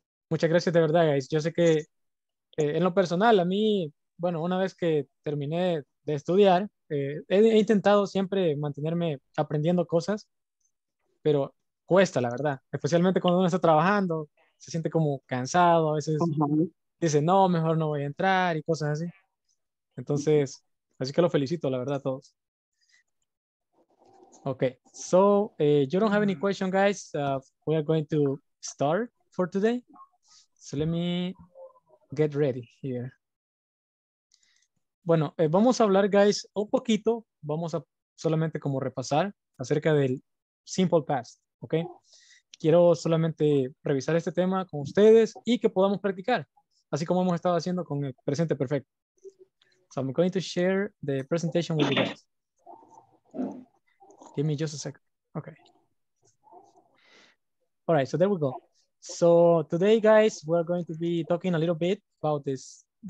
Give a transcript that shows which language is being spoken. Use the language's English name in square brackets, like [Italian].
[Spanish] Muchas gracias de verdad, guys. Yo sé que en lo personal, a mí, bueno, una vez que terminé de estudiar, he intentado siempre mantenerme aprendiendo cosas, pero cuesta, la verdad. Especialmente cuando uno está trabajando, se siente como cansado, a veces dice, no, mejor no voy a entrar y cosas así. Entonces, así que lo felicito, la verdad, a todos. [English] Okay, so you don't have any questions, guys. We are going to start for today. So let me get ready here. [Spanish] Bueno, vamos a hablar, guys, un poquito. Vamos a solamente como repasar acerca del simple past, ¿ok? Quiero solamente revisar este tema con ustedes y que podamos practicar, así como hemos estado haciendo con el presente perfecto. [English] So I'm going to share the presentation with you guys. Give me just a second. Okay. All right, so there we go. So today, guys, we're going to be talking a little bit about this.